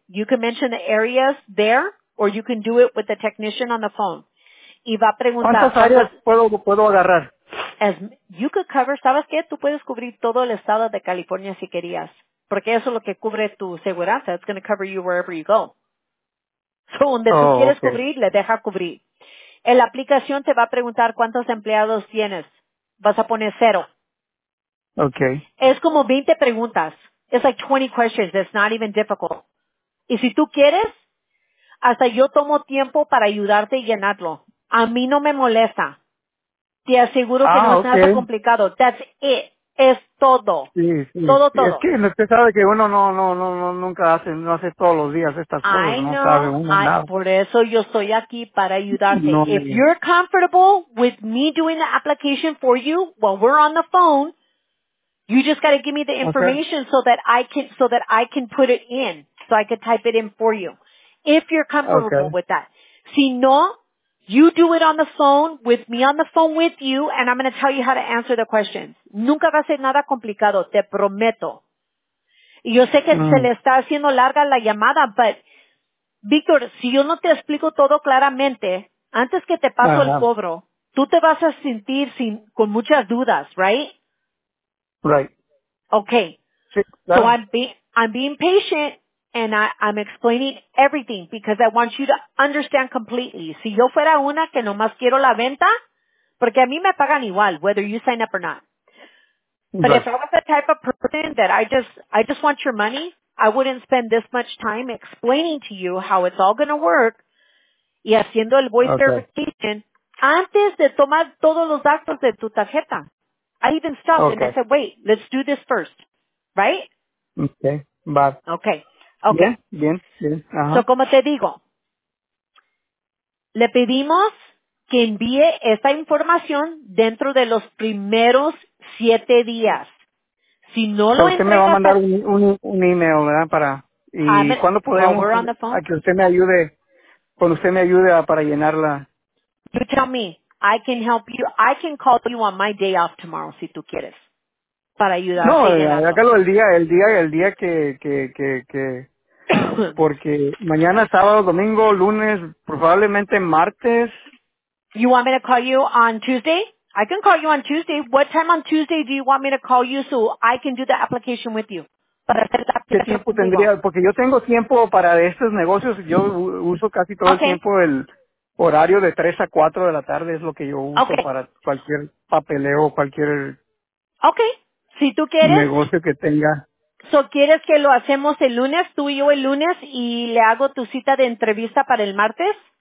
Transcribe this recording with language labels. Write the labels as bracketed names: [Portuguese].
[English] You can mention the areas there, or you can do it with the technician on the phone. [Spanish] Y va a preguntar, ¿cuántas áreas puedo agarrar? [English] You could cover, [Spanish] ¿sabes qué? Tú puedes cubrir todo el estado de California si querías, porque eso es lo que cubre tu seguridad. [English] It's going to cover you wherever you go. [Spanish] So, donde tú quieres cubrir, le deja cubrir. La aplicación te va a preguntar cuántos empleados tienes. Vas a poner 0. Okay. Es como 20 preguntas. [English] It's like 20 questions. It's not even difficult. [Spanish] Y si tú quieres, hasta yo tomo tiempo para ayudarte y llenarlo. A mí no me molesta. Te aseguro que no es nada complicado. [English] That's it. [Spanish] Es todo. Sí, sí. Todo. Es que usted sabe que uno nunca hace todos los días estas cosas. Ay, nada. Por eso yo estoy aquí para ayudarte. [English] No, if you're comfortable with me doing the application for you while we're on the phone, you just got to give me the information so that I can put it in, so I could type it in for you, if you're comfortable with that. [Spanish] Si no, [English] you do it on the phone with me on the phone with you, and I'm going to tell you how to answer the questions. [Spanish] Nunca va a ser nada complicado, te prometo. Y yo sé que se le está haciendo larga la llamada, but, Víctor, si yo no te explico todo claramente, antes que te paso el cobro, tú te vas a sentir con muchas dudas, right? [English] Right. Okay. [Spanish] Sí, [English] so I'm being patient, and I'm explaining everything because I want you to understand completely. [Spanish] Si yo fuera una que nomás quiero la venta, porque a mí me pagan igual, [English] whether you sign up or not. But if I was the type of person that I just want your money, I wouldn't spend this much time explaining to you how it's all going to work [Spanish] y haciendo el voice verification antes de tomar todos los datos de tu tarjeta. [English] I even stopped and I said, wait, let's do this first, right? Okay. Bar. Okay. Okay. [Spanish] Bien, bien, bien. So, como te digo, le pedimos que envíe esta información dentro de los primeros 7 días. Si no lo entrega, usted me va a mandar un email, ¿verdad? Para y cuándo podemos a que usted me ayude cuando usted me ayude a, para llenarla. [English] You tell me. I can help you. I can call you on my day off tomorrow [Spanish] si tú quieres. Para ayudar. No, hágalo el día que porque mañana, sábado, domingo, lunes, probablemente martes. [English] You want me to call you on Tuesday? I can call you on Tuesday. What time on Tuesday do you want me to call you so I can do the application with you? [Spanish] ¿Qué tiempo tendría? Porque yo tengo tiempo para estos negocios. Yo uso casi todo el tiempo el horario de 3 a 4 de la tarde es lo que yo uso para cualquier papeleo, cualquier si tú quieres, negocio que tenga. So, ¿quieres que lo hacemos el lunes, tú y yo el lunes, y le hago tu cita de entrevista para el martes?